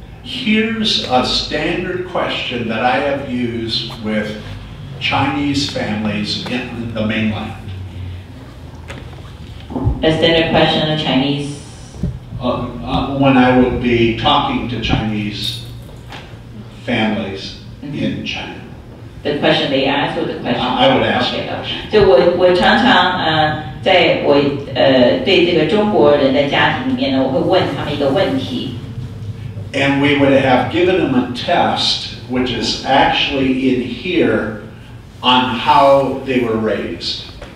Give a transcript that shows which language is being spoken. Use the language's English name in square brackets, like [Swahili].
[English] Here's a standard question that I have used with Chinese families in the mainland. A standard question of Chinese? When I would be talking to Chinese families in China. The question they ask or the question? I would ask okay, the question. [Chinese] 就我常常在我对这个中国人的家庭里面呢，我会问他们一个问题。 [English] And we would have given them a test, which is actually in here, on how they were raised.